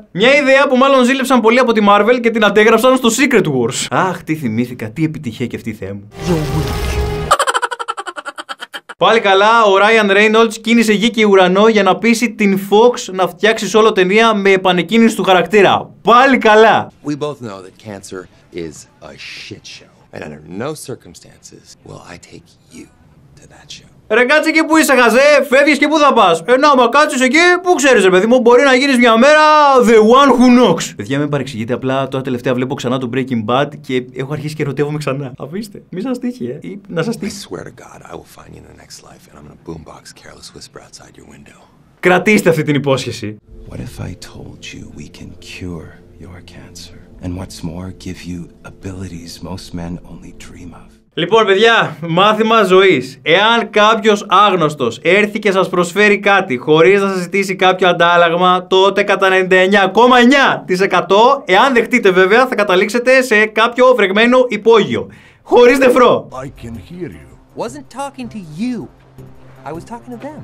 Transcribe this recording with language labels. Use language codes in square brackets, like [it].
[el] Μια ιδέα που μάλλον ζήλεψαν πολύ από τη Marvel και την αντέγραψαν στο Secret Wars. Αχ, τι θυμήθηκα, τι επιτυχία και αυτή, Θεέ μου. Πάλι καλά, ο Ryan Reynolds κίνησε γη και ουρανό για να πείσει την Fox να φτιάξει solo ταινία με επανεκκίνηση του χαρακτήρα. Πάλι καλά! [en] We both know that cancer is a shit show. And under no circumstances will I take you to that show. [el] Ρε κάτσε εκεί που είσαι χαζέ, φεύγεις και πού θα πας. Ενώ άμα κάτσεις εκεί, πού ξέρεις ρε παιδί μου, μπορεί να γίνεις μια μέρα [en] the one who knocks. [el] Παιδιά, μην παρεξηγείτε, απλά τώρα τελευταία βλέπω ξανά το Breaking Bad και έχω αρχίσει και ερωτεύομαι ξανά. Αφήστε, μη σας τύχει, ή να σας τύχει. [en] I swear to God, I will find you in the next life and I'm gonna boombox Careless Whisper outside your window. [el] Κρατήστε αυτή την υπόσχεση. [en] What if I told you we can cure your cancer? And what's more, give you abilities most men only dream of. [el] Λοιπόν, παιδιά, μάθημα ζωής. Εάν κάποιος άγνωστος έρθει και σας προσφέρει κάτι χωρίς να σας ζητήσει κάποιο αντάλλαγμα, τότε κατά 99,9% εάν δεχτείτε βέβαια, θα καταλήξετε σε κάποιο βρεγμένο υπόγειο. Χωρίς νεφρό. [en] I can hear you. Wasn't talking to you. I was talking to them.